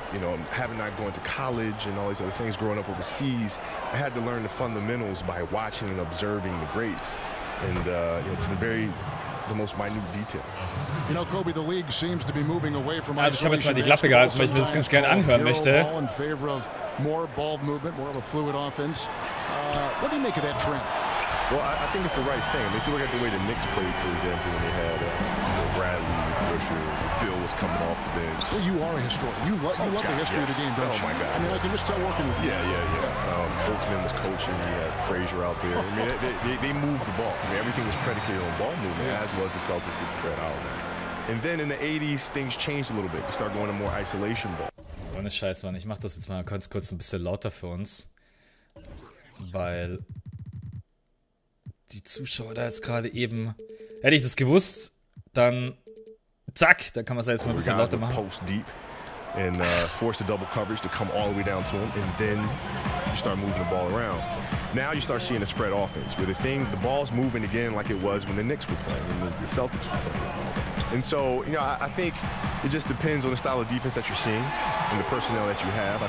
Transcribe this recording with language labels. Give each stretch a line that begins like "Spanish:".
English: You know, having not gone to college and all these other things, growing up overseas, I had to learn the fundamentals by watching and observing the greats, and you know, it's the most minute detail. You know, Kobe, the league seems to be moving away from...
German: Also ich habe jetzt mal die Klappe gehalten, weil ich mir das ganz gerne anhören möchte.
English: In favor of more ball movement, more of a fluid offense. What do you make of that trend? Well, I think it's the right thing. If you look at the way the Knicks played, for example, when they had Bradley, Pusher, Phil was coming off the bench. Well, you are a historian. You love the history, yes, of the game, don't you? Oh, my God. I mean, I can just tell working with you. Yeah. Holtzman was coaching. You had Frazier out there. I mean, they moved the ball. I mean, everything was predicated on ball movement, yeah, as was the Celtics with Brad Holland. And then in the 80s, things changed a little bit. You start going to more isolation ball.
German: Ohne Scheiß, Mann. Ich mach das jetzt mal kurz ein bisschen lauter für uns. Weil die Zuschauer da jetzt gerade eben... Hätte ich das gewusst, dann... Zack, da kann man es jetzt mal ein bisschen lauter machen.
English: Post deep and force the double coverage to come all the way down to him, and then you start moving the ball around. Now you start seeing a spread offense where the ball's moving again like it was when the Knicks were playing, when the Celtics were playing. And so, you know, I think it just depends on the style of defense that you're seeing and the personnel that you have.